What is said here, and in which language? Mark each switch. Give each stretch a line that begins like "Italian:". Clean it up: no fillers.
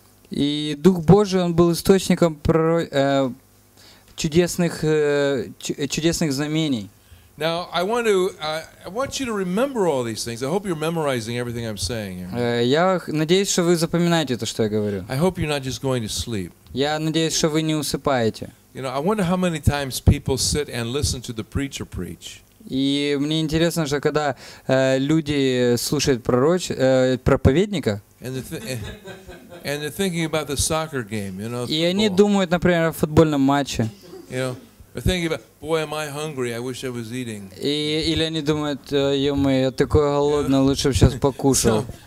Russian: И Дух Божий, он был источником чудесных знамений.
English: Now I want to I want you to remember all these things. I hope you're memorizing everything I'm saying here.
Russian: Я надеюсь, что вы запоминаете то, что я говорю.
English: I hope you're not just going to sleep.
Russian: Я надеюсь, что вы не усыпаете.
English: You know, I wonder how many times people sit and listen to the preacher preach.
Russian: И мне интересно, что когда люди слушают проповедника, и они думают, например, о футбольном матче. Или они думают, ё-моё, я такой голодный, лучше бы сейчас покушал.